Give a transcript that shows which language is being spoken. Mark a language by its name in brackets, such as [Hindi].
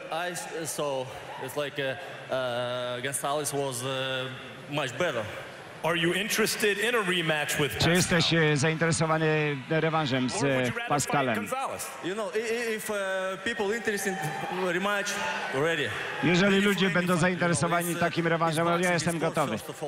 [English] I saw it's like Gonzalez was much better. Are you interested in a rematch with? [Polish] Czy jesteś zainteresowany rewanżem z Pascalem? [English] You know, if people interested in rematch, ready. [Polish] Jeżeli ludzie będą zainteresowani takim rewanżem, ja jestem gotowy.